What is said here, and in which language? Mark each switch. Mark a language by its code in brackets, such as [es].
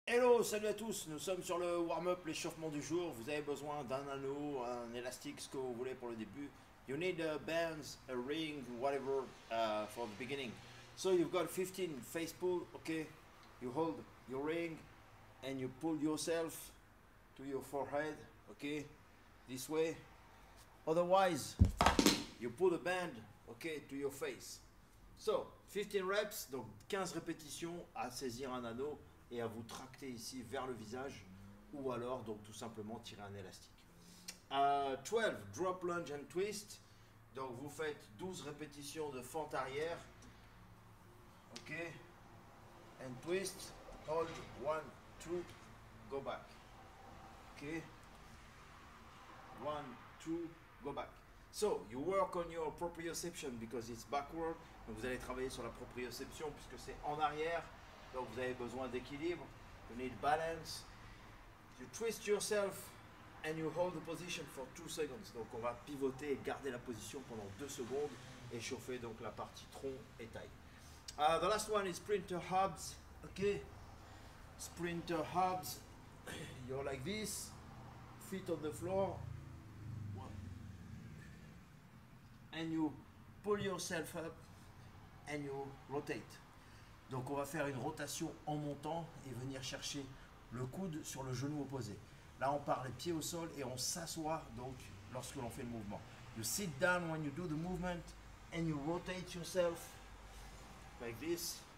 [en] Hello, [fr] salut à tous, nous sommes sur le [en] warm-up, [fr] l'échauffement du jour. Vous avez besoin d'un anneau, un élastique, ce que vous voulez pour le début. [en] You need a band, a ring, whatever for the beginning. So you've got 15 face pull, ok. You hold your ring and you pull yourself to your forehead, ok. This way. Otherwise, you pull the band, ok, to your face. So, 15 reps, [fr] donc 15 répétitions à saisir un anneau. Et à vous tracter ici vers le visage ou alors donc tout simplement tirer un élastique. 12 drop lunge and twist, donc vous faites 12 répétitions de fente arrière, ok, [en] and twist, hold 1, 2, go back, ok, 1, 2, go back. So you work on your proprioception because it's backward, [fr] donc vous allez travailler sur la proprioception puisque c'est en arrière. Donc vous avez besoin d'équilibre, [en] you need balance. You twist yourself and you hold the position for 2 seconds. [fr] Donc on va pivoter et garder la position pendant 2 secondes et chauffer donc la partie tronc et taille. [en] The last one is sprinter hubs, ok. Sprinter hubs, you're like this, feet on the floor. And you pull yourself up and you rotate. [fr] Donc on va faire une rotation en montant et venir chercher le coude sur le genou opposé. Là on part les pieds au sol et on s'assoit donc lorsque l'on fait le mouvement. [en] You sit down when you do the movement and you rotate yourself like this.